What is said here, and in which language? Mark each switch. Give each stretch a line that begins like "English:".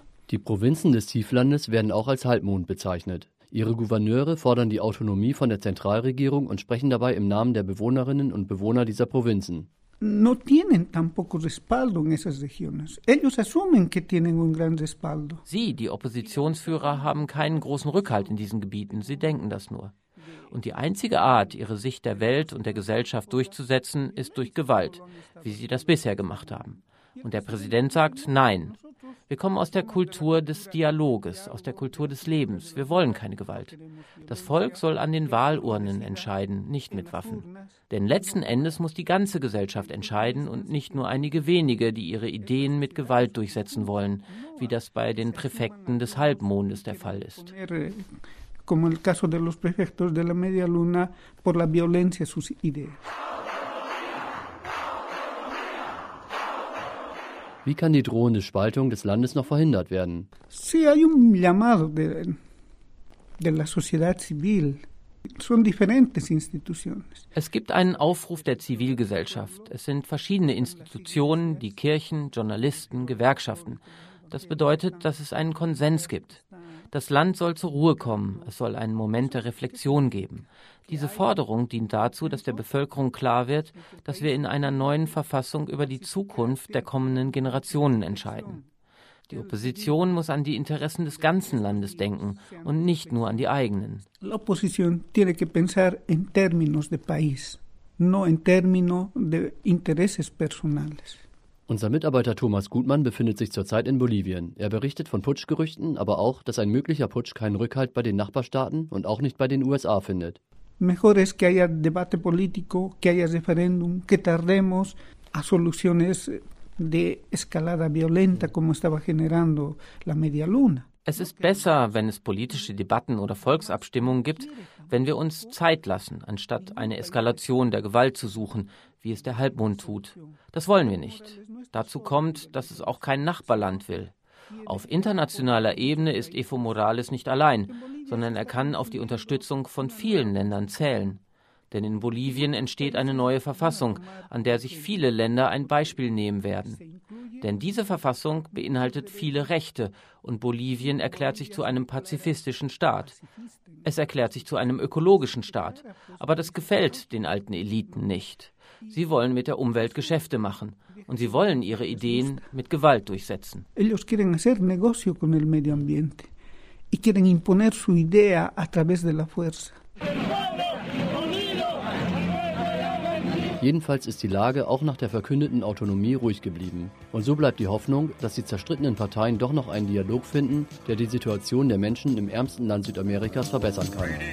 German: Die Provinzen des Tieflandes werden auch als Halbmond bezeichnet. Ihre Gouverneure fordern die Autonomie von der Zentralregierung und sprechen dabei im Namen der Bewohnerinnen und Bewohner dieser Provinzen.
Spanish: No tienen tampoco respaldo en esas regiones. Ellos asumen que tienen un gran respaldo.
German: Sie, die Oppositionsführer, haben keinen großen Rückhalt in diesen Gebieten. Sie denken das nur. Und die einzige Art, ihre Sicht der Welt und der Gesellschaft durchzusetzen, ist durch Gewalt, wie sie das bisher gemacht haben. Und der Präsident sagt, nein. Wir kommen aus der Kultur des Dialoges, aus der Kultur des Lebens. Wir wollen keine Gewalt. Das Volk soll an den Wahlurnen entscheiden, nicht mit Waffen. Denn letzten Endes muss die ganze Gesellschaft entscheiden und nicht nur einige wenige, die ihre Ideen mit Gewalt durchsetzen wollen, wie das bei den Präfekten des Halbmondes der Fall ist.
Spanish: Como el caso de los prefectos de la media luna, por la violencia sus ideas.
German: Wie kann die drohende Spaltung des Landes noch verhindert werden?
Spanish: Sí, hay un llamado de la sociedad civil. Son diferentes instituciones.
German: Es gibt einen Aufruf der Zivilgesellschaft. Es sind verschiedene Institutionen, die Kirchen, Journalisten, Gewerkschaften. Das bedeutet, dass es einen Konsens gibt. Das Land soll zur Ruhe kommen. Es soll einen Moment der Reflexion geben. Diese Forderung dient dazu, dass der Bevölkerung klar wird, dass wir in einer neuen Verfassung über die Zukunft der kommenden Generationen entscheiden. Die Opposition muss an die Interessen des ganzen Landes denken und nicht nur an die eigenen.
Spanish: La oposición tiene que pensar en términos de país, no en términos de intereses personales.
German: Unser Mitarbeiter Thomas Gutmann befindet sich zurzeit in Bolivien. Er berichtet von Putschgerüchten, aber auch, dass ein möglicher Putsch keinen Rückhalt bei den Nachbarstaaten und auch nicht bei den USA findet.
Spanish: Mejor es que haya debate político, que haya referéndum, que tardemos a soluciones de escalada violenta como estaba generando la media luna.
German: Es ist besser, wenn es politische Debatten oder Volksabstimmungen gibt, wenn wir uns Zeit lassen, anstatt eine Eskalation der Gewalt zu suchen, wie es der Halbmond tut. Das wollen wir nicht. Dazu kommt, dass es auch kein Nachbarland will. Auf internationaler Ebene ist Evo Morales nicht allein, sondern er kann auf die Unterstützung von vielen Ländern zählen. Denn in Bolivien entsteht eine neue Verfassung, an der sich viele Länder ein Beispiel nehmen werden. Denn diese Verfassung beinhaltet viele Rechte und Bolivien erklärt sich zu einem pazifistischen Staat. Es erklärt sich zu einem ökologischen Staat. Aber das gefällt den alten Eliten nicht. Sie wollen mit der Umwelt Geschäfte machen und sie wollen ihre Ideen mit Gewalt durchsetzen.
Spanish: Ellos quieren hacer negocio con el medio ambiente y quieren imponer su idea a través de la fuerza.
German: Jedenfalls ist die Lage auch nach der verkündeten Autonomie ruhig geblieben. Und so bleibt die Hoffnung, dass die zerstrittenen Parteien doch noch einen Dialog finden, der die Situation der Menschen im ärmsten Land Südamerikas verbessern kann.